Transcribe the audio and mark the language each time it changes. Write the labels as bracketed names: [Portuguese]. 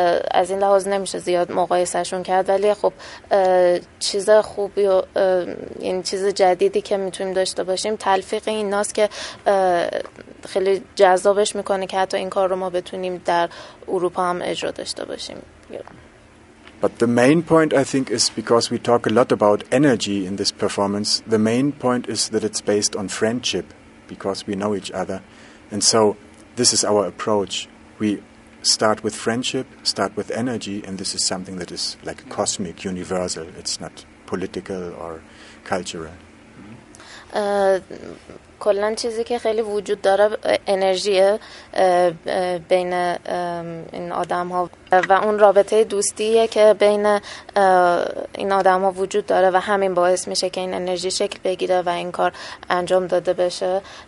[Persian] از این لحاظ نمیشه زیاد مقایسه‌شون کرد، ولی خب چیز خوبی و این چیز جدیدی که میتونیم داشته باشیم تلفیق ایناست که خیلی جذابش میکنه که حتی این کار رو ما بتونیم در اروپا هم اجرا داشته باشیم. [English] But the main point I think is because we talk a lot about energy in this performance, the main point is that it's based on friendship because we know each other. And so this is our approach. We start with friendship, start with energy, and this is something that is like cosmic, universal. It's not political or cultural. [Persian] کلن چیزی که خیلی وجود داره انرژیه بین این آدم ها و اون رابطه دوستیه که بین این آدم ها وجود داره و همین باعث میشه که این انرژی شکل بگیره و این کار انجام داده بشه.